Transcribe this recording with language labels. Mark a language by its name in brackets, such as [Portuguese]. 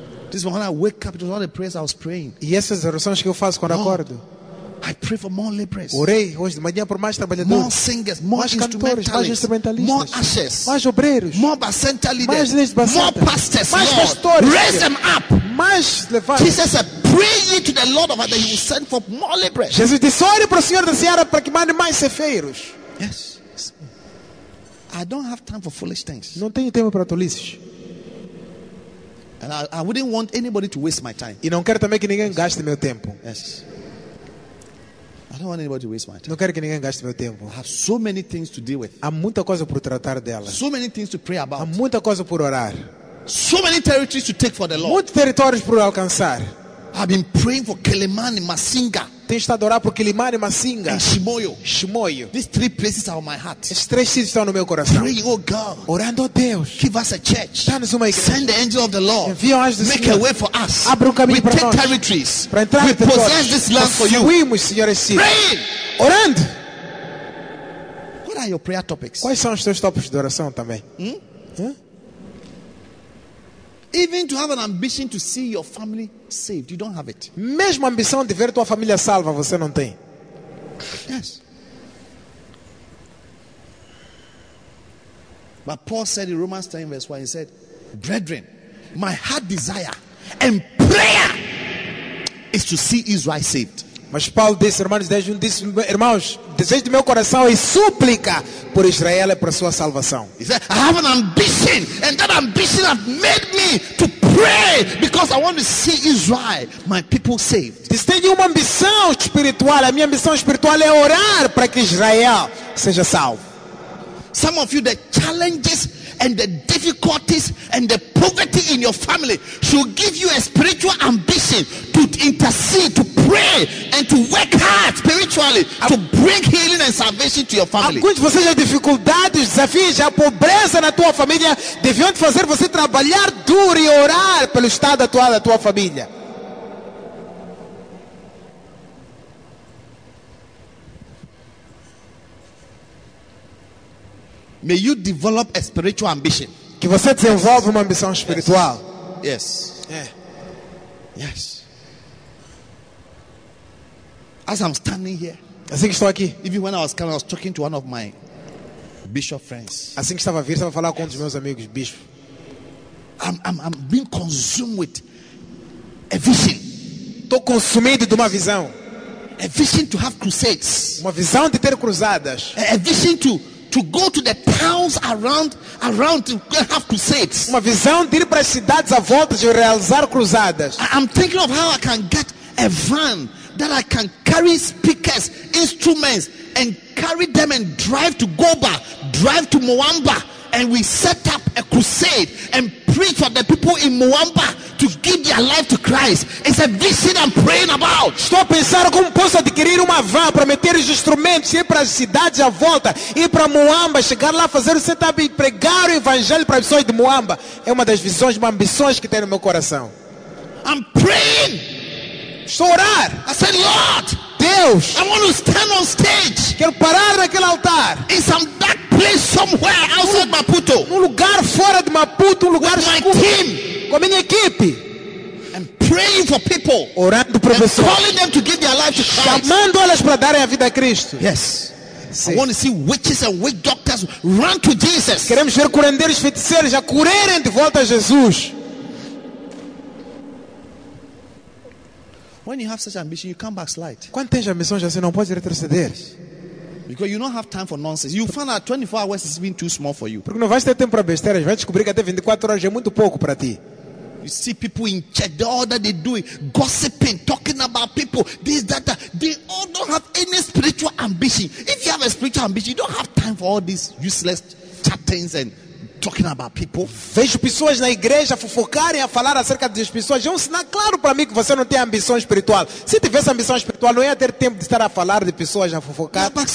[English] This morning I wake up, it was all the prayers I was praying. [Portuguese] E essas são as orações que eu faço quando acordo. [English] I pray for more laborers. [Portuguese] Orei hoje de manhã por mais trabalhadores. [English] More singers, more [Portuguese] mais cantores, mais instrumentalistas. [English] More ushers, [Portuguese] mais obreiros. [English] More bacenta leaders, [Portuguese] mais leis bacenta. [English] More pastors, [Portuguese] mais [English] Lord, [Portuguese] pastores. [English] Raise them up, [Portuguese] mais levar. [English] Jesus said, pray ye to the Lord of that He will send for more laborers. [Portuguese] Jesus disse, ore para o Senhor da seara para que mande mais ceifeiros. [English] Yes. I don't have time for foolish things. [Portuguese] Não tenho tempo para tolices. [English] And I wouldn't want anybody to waste my time. [Portuguese] E não quero também que ninguém gaste meu tempo. [English] Yes. I don't want anybody to waste my time. [Portuguese] Não quero que ninguém gaste meu tempo. [English] I have so many things to deal with. [Portuguese] Há muita coisa por tratar dela. [English] So many things to pray about. [Portuguese] Há muita coisa por orar. [English] So many territories to take for the Lord. [Portuguese] Muitos territórios por alcançar. [English] I've been praying for Kilimani, Masinga. [Portuguese] Tenho estado a orar por Kilimani, Masinga. [English] And Shimoyo. Shimoyo. These three places are on my heart. [Portuguese] Esses três sítios estão no meu coração. [English] Praying, oh God. [Portuguese] Orando a Deus. [English] Give us a church. [Portuguese] Dá-nos uma igreja. [English] Send the angel of the Lord. [Portuguese] Envia o anjo do Senhor. [English] Make a way for us. [Portuguese] Abra um caminho para nós. [English] We take territories. [Portuguese] Para entrar em territórios. [English] We possess this land for you. [Portuguese] Possuímos, Senhor, esse sítio. [English] Praying. [Portuguese] Orando. [English] What are your prayer topics? [Portuguese] Quais são os teus tópicos de oração também? [English] Even to have an ambition to see your family saved, you don't have it. [Portuguese] Mesmo a ambição de ver tua família salva, você não tem. [English] Yes. But Paul said in Romans 10 verse 1, he said, brethren, my heart desire and prayer is to see Israel saved. [Portuguese] Mas Paulo disse, irmãos, irmãos, desejo do meu coração e súplica por Israel e por sua salvação. [English] He said, I have an ambition, and that ambition has made me to pray because I want to see Israel, my people, saved. [Portuguese] Diz, tenho uma ambição espiritual. A minha ambição espiritual é orar para que Israel seja salvo. [English] Some of you, the challenges and the difficulties and the poverty in your family should give you a spiritual ambition to intercede, to pray, and to work hard spiritually to bring healing and salvation to your family. [Portuguese] Alguns de vocês, as dificuldades, desafios, a pobreza na tua família deviam fazer você trabalhar duro e orar pelo estado atual da tua família. [English] May you develop a spiritual ambition. [Portuguese] Que você desenvolva uma ambição espiritual. [English] Yes. Yeah. Yes. As I'm standing here. [Portuguese] Assim que estou aqui. [English] Even when I was coming, I was talking to one of my bishop friends. [Portuguese] Assim que estava a vir, estava a falar com um dos meus amigos bispo. [English] I'm being consumed with a vision. [Portuguese] Estou consumido de uma visão. [English] A vision to have crusades. [Portuguese] Uma visão de ter cruzadas. [English] A vision to to go to the towns around to have crusades. [Portuguese] Uma visão de ir para as cidades à volta de realizar cruzadas. [English] I'm thinking of how I can get a van that I can carry speakers, instruments, and carry them and drive to Goba, drive to Moamba, and we set up a crusade and preach for the people in Moamba to give their life to Christ. It's a vision I'm praying about. [Portuguese] Estou a pensar como posso adquirir uma van para meter os instrumentos, ir para as cidades à volta, ir para Moamba, chegar lá, fazer o setup e pregar o evangelho para as pessoas de Moamba. É uma das visões, uma ambições que tenho no meu coração. [English] I'm praying. [Portuguese] Estou a orar. [English] I said, Lord, [Portuguese] Deus, [English] I want to stand on stage. [Portuguese] Quero parar naquele altar. [English] In some dark place somewhere outside Maputo. [Portuguese] Num lugar fora de Maputo, lugar [English] with [Portuguese] escuro. [English] My team. [Portuguese] Com a minha equipe. [English] And praying for people. [Portuguese] Orando por pessoas. [English] Calling them to give their life to Christ. [Portuguese] Chamando elas para darem a vida a Cristo. [English] Yes. [Portuguese] Sim. [English] I want to see witches and witch doctors run to Jesus. [Portuguese] Queremos ver curandeiros e feiticeiros a correrem de volta a Jesus. [English] When you have such ambition, you come back slight. [Portuguese] Quando tens ambição, já não podes retroceder. [English] Because you don't have time for nonsense. You find out 24 hours has been too small for you. [Portuguese] Porque não vais ter tempo para besteiras. Vais descobrir que até 24 horas é muito pouco para ti. [English] You see people in church, all that they do, gossiping, talking about people, this, that, that. They all don't have any spiritual ambition. If you have a spiritual ambition, you don't have time for all these useless chattings and talking about people. [Portuguese] Vejo pessoas na igreja fofocarem a falar acerca das pessoas. É um sinal claro para mim que você não tem ambição espiritual. Se tivesse ambição espiritual, não ia ter tempo de estar a falar de pessoas a fofocar.